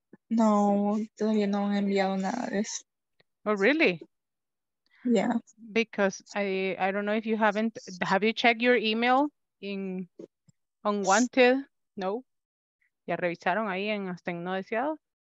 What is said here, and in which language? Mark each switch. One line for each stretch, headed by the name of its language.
Spanish: No, todavía no han enviado nada de eso.
English: Oh, really? Yeah. Because I don't know if you haven't, have you checked your email in unwanted? No.
Spanish: ¿Ya revisaron ahí en hasta en no deseado?